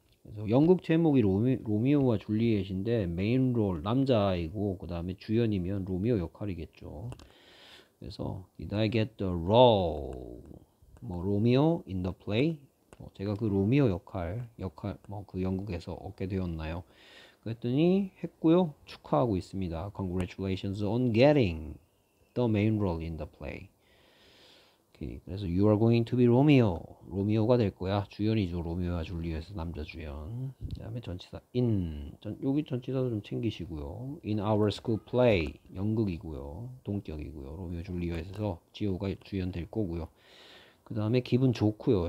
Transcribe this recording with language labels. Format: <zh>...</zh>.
<ko>그래서 연극 제목이 로미오와 줄리엣인데 메인 롤 남자이고 그 다음에 주연이면 로미오 역할이겠죠.</ko> <en>그래서 Did I get the role? 뭐 로미오 in the play?</en> <ko>뭐 제가 그 로미오 역할 뭐그 연극에서 얻게 되었나요? 그랬더니 했고요. 축하하고 있습니다.</ko> <en>Congratulations on getting the main role in the play.</en> <ko>오케이. 그래서</ko> <en>you are going to be Romeo.</en> <ko>로미오가 될 거야. 주연이죠. 로미오와 줄리엣에서 남자 주연. 그다음에 전치사 in. 여기 전치사도 좀 챙기시고요.</ko> <en>In our school play.</en> <ko>연극이고요. 동격이고요. 로미오 줄리엣에서 지호가 주연 될 거고요. 그다음에 기분 좋고요.</ko>